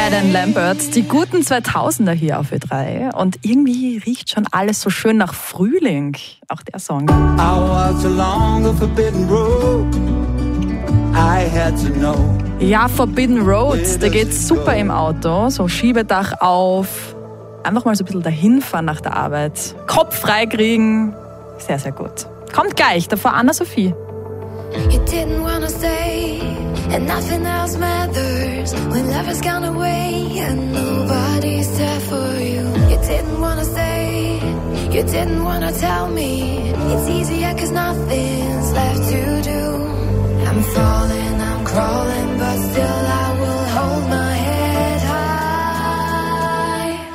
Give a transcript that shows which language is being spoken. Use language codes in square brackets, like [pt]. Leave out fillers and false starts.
[de] Lambert, die guten 2000er hier auf Ö3. Und irgendwie riecht schon alles so schön nach Frühling. Auch der Song. [en] I was along a forbidden road. I had to know. [de] Ja, Forbidden Road, da geht's super im Auto. So Schiebedach auf. Einfach mal so ein bisschen dahinfahren nach der Arbeit. Kopf freikriegen. Sehr, sehr gut. Kommt gleich, davor Anna-Sophie. [en] You didn't wanna stay. And nothing else matters when love has gone away and nobody's there for you. You didn't wanna say, you didn't wanna tell me. It's easier 'cause nothing's left to do. I'm falling, I'm crawling, but still I will hold my head high.